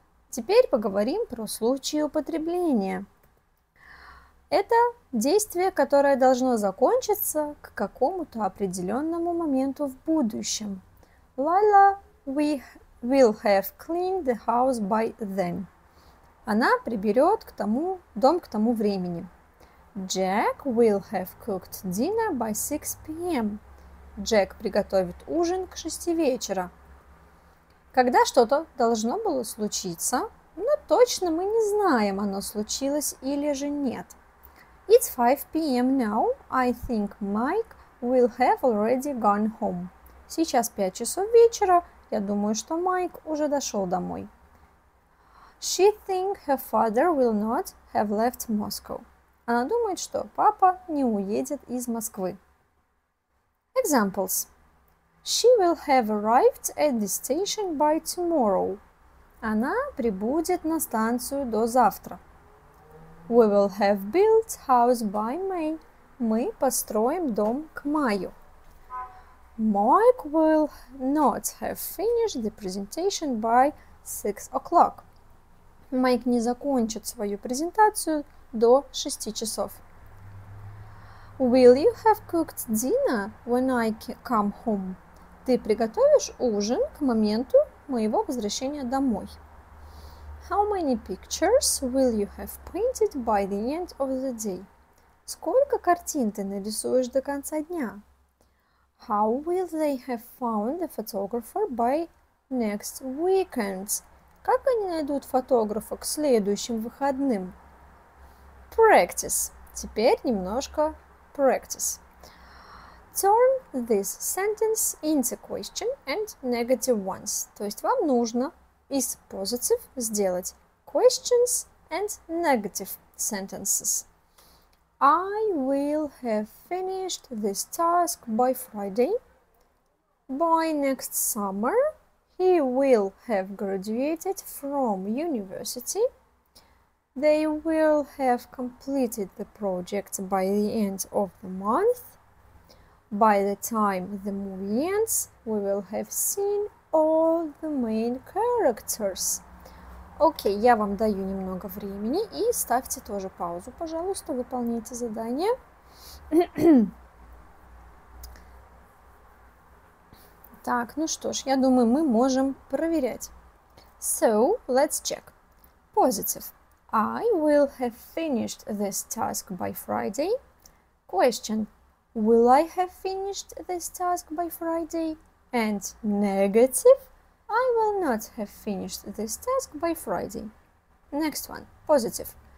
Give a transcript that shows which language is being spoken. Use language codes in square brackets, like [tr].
[ru] Теперь поговорим про случаи употребления. Это действие, которое должно закончиться к какому-то определенному моменту в будущем. [en] Lila, we will have cleaned the house by then. [ru] Она приберет к тому дом к тому времени. [en] Jack will have cooked dinner by 6 p.m. [ru] Джек приготовит ужин к 6 вечера. Когда что-то должно было случиться, но точно мы не знаем, оно случилось или же нет. [en] It's 5 p.m. now. I think Mike will have already gone home. [ru] Сейчас 5 часов вечера. Я думаю, что Майк уже дошел домой. [en] She thinks her father will not have left Moscow. [ru] Она думает, что папа не уедет из Москвы. [en] Examples. She will have arrived at the station by tomorrow. [ru] Она прибудет на станцию до завтра. [en] We will have built house by May. [ru] Мы построим дом к маю. [en] Mike will not have finished the presentation by 6 o'clock. [ru] Майк не закончит свою презентацию до 6 часов. [en] Will you have cooked dinner when I come home? [ru] Ты приготовишь ужин к моменту моего возвращения домой. [en] How many pictures will you have painted by the end of the day? [ru] Сколько картин ты нарисуешь до конца дня? [en] How will they have found the photographer by next weekend? [ru] Как они найдут фотографа к следующим выходным? Practice. Теперь немножко practice. [en] Turn this sentence into question and negative ones. [ru] То есть вам нужно из positive сделать [en] questions and negative sentences. I will have finished this task by Friday. By next summer, he will have graduated from university. They will have completed the project by the end of the month. By the time the movie ends, we will have seen all the main characters. [ru] Окей, я вам даю немного времени и ставьте тоже паузу, пожалуйста, выполняйте задание. Так, ну что ж, я думаю, мы можем проверять. [en] So, let's check. Positive. I will have finished this task by Friday. Question. Will I have finished this task by Friday? And negative, I will not have finished this task by Friday. Next one, positive.